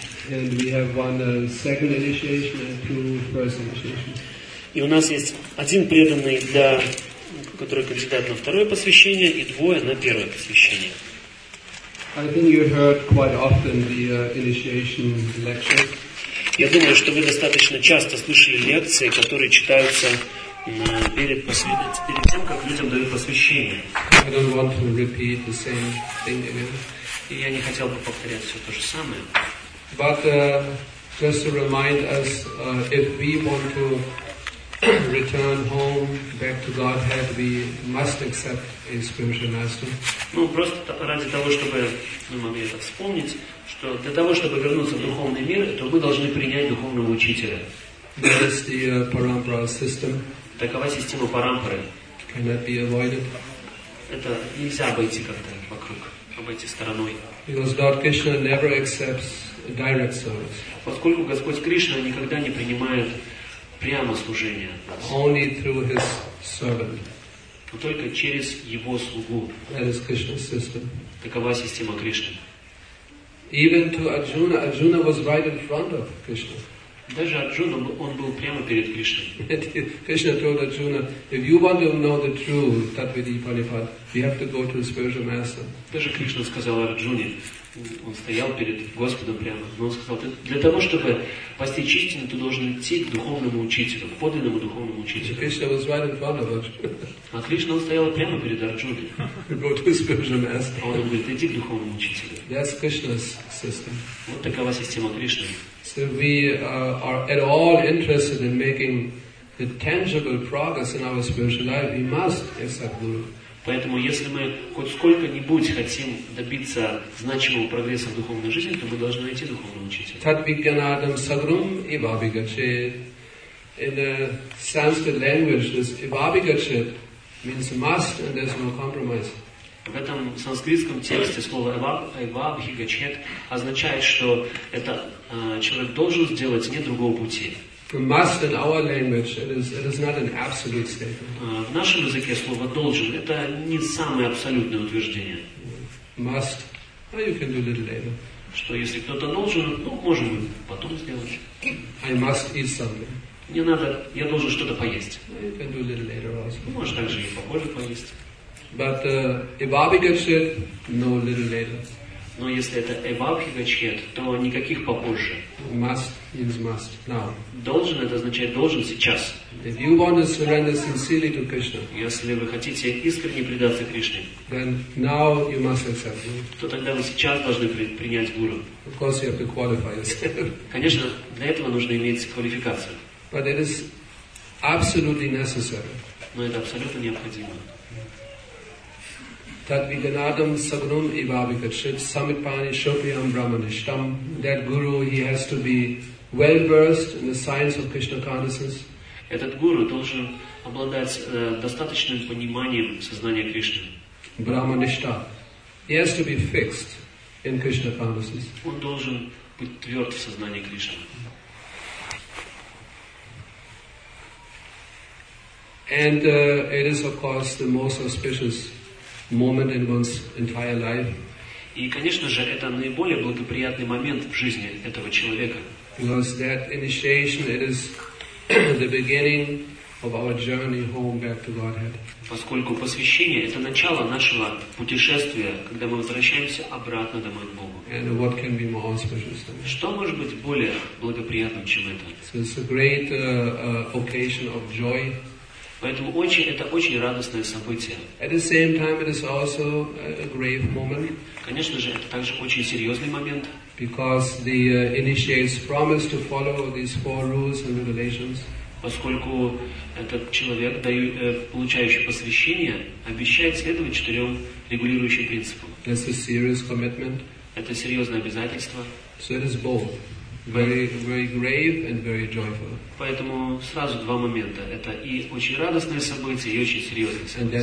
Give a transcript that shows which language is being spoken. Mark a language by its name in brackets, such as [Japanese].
[English] And we have one second initiation and two first initiations. [Russian] И у нас есть один преданный, для который кандидат на второе посвящение, и двое на первое посвящение. [English] I think you heard quite often the initiation lecture. [Russian] Я думаю, что вы достаточно часто слышали лекции, которые читаются перед тем, как людям дают посвящение. [English] I don't want to repeat the same thing again. [Russian] И я не хотел бы повторять все то же самое. [English] But just to remind us, if we want to return home back to Godhead, we must accept a spiritual master. [Russian] Ну просто ради того, чтобы мы могли это вспомнить, что для того, чтобы вернуться в духовный мир, то мы должны принять духовного учителя. [English] That is the parampara system. [Russian] Такова система парампары. [English] Cannot be avoided. [Russian] Это нельзя обойти как-то вокруг, обойти стороной. [English] Because Lord Krishna never accepts direct service. [Russian] Поскольку Господь Кришна никогда не принимает прямо служение. [English] Only through his servant. [Russian] Но только через его слугу. [English] That is Krishna's system. [Russian] Такова система Кришны. [English] Even to Arjuna, Arjuna was right in front of Krishna. [Russian] Даже Арджуна, он был прямо перед Кришной. [English] Кришна told Arjuna, if you want to know the true Tatvidhi Panipat, you have to go to the spiritual master. [Russian] Даже Кришна сказал Арджуне, он стоял перед Господом прямо, но он сказал, для того, чтобы постичь истину, ты должен идти к духовному учителю, к подлинному духовному учителю. [English] Кришна was right in front of Arjuna. [Russian] А Кришна, он стоял прямо перед Арджуной. [English] Go to the spiritual master. [Russian] А он говорит, иди к духовному учителю. [English] That's Krishna's system. [Russian] Вот такова система Кришны. [English] So we are at all interested in making the tangible progress in our spiritual life, we must accept Guru. [Russian] Поэтому, если мы хоть сколько-нибудь хотим добиться значимого прогресса в духовной жизни, то мы должны найти духовного учителя. [Sanskrit] Tatvijnanam sagrum ivabhigache. [English] In the Sanskrit language, this ivabhigache means must, and there's no compromise. [Russian] В этом санскритском тексте слово ivabhigachet означает, что это человек должен сделать, нет другого пути. [English] Must in our language, it is not an absolute statement. [Russian] В нашем языке слово должен это не самое абсолютное утверждение. [English] Must, well, you can do it later. [Russian] Что если кто-то должен, ну можем потом сделать. [English] I must eat something. [Russian] Мне надо, я должен что-то поесть. [English] You can do it later also. [Russian] Можешь также и попозже поесть. [English] But ivabhigachet, no, little later. [Russian] Но если это ivabhigachet, то никаких попозже. [English] Must means must now. [Russian] Должен это означает должен сейчас. [English] If you want to surrender sincerely to Krishna, [Russian] если вы хотите искренне предаться Кришне, [English] then now you must accept. [Russian] То тогда вы сейчас должны принять гуру. [English] Of course, you have to qualify yourself. [Russian] Конечно, для этого нужно иметь квалификацию. [English] But it is absolutely necessary. [Russian] Но это абсолютно необходимо. [Sanskrit] Tatvijnanam sagrum ivabhigachet samitpani shopyam brahmanishtam. [English] That guru, he has to be well versed in the science of Krishna consciousness. [Russian] Этот гуру должен обладать достаточным пониманием сознания Кришны. [English] Brahmanishta. He has to be fixed in Krishna consciousness. [Russian] Он должен быть тверд в сознании Кришны. [English] And it is, of course, the most auspicious moment in one's entire life. [Russian] И, конечно же, это наиболее благоприятный момент в жизни этого человека. [English] Because that initiation, it is the beginning of our journey home back to Godhead. [Russian] Поскольку посвящение это начало нашего путешествия, когда мы возвращаемся обратно домой к Богу. [English] And what can be more auspicious than that? [Russian] Что может быть более благоприятным, чем это? [English] So it's a great occasion of joy. [Russian] Поэтому очень, это очень радостное событие. [English] At the same time, it is also a grave moment. [Russian] Конечно же, это также очень серьезный момент. [English] Because the initiates promise to follow these four rules and regulations. [Russian] Поскольку этот человек, получающий посвящение, обещает следовать четырем регулирующим принципам. [English] That's a serious commitment. [Russian] Это серьезное обязательство. [English] So it is both. Very, very grave and very joyful. [Russian] Поэтому сразу два момента. Это и очень радостное событие, и очень серьезное событие.